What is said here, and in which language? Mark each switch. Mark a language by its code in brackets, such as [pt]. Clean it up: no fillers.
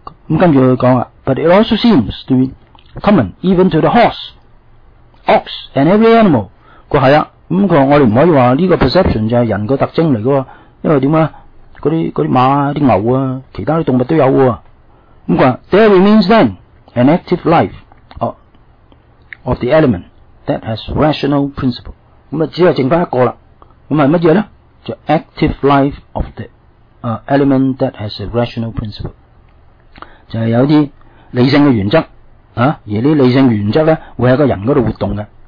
[yue] 咁跟住佢講啊 [en] ，but it also seems to be common even to the horse, ox and every animal。 [yue] 佢係啊，咁佢我哋唔可以話呢個 perception 就係人個特徵嚟嘅，因為點啊？嗰啲馬啊、啲牛啊、其他啲動物都有喎。咁佢話 [en] ，there remains then an active life of the element that has rational principle。 [yue] 咁啊，只係剩翻一個啦。咁係乜嘢咧？就 [en] active life of the element that has a rational principle， [yue] 就係有啲理性嘅原則啊，而啲理性原則咧會喺個人嗰度活動嘅。